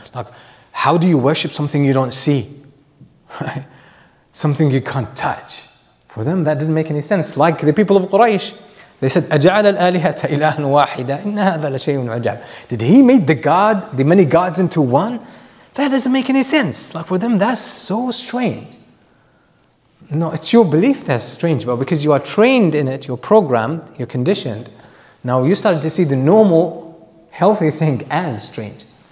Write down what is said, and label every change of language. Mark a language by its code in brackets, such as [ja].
[en] Like, how do you worship something you don't see? Right? Something you can't touch. For them, that didn't make any sense. Like the people of Quraysh, they said, [ar] أَجْعَلَ الْآلِهَةَ إِلَهًا وَاحِدًا إِنَّ هَذَا لَشَيْءٌ عَجَابٌ. [en] Did he make the god, the many gods into one? That doesn't make any sense. Like, for them, that's so strange. No, it's your belief that's strange, but because you are trained in it, you're programmed, you're conditioned, now you started to see the normal, healthy thing as strange.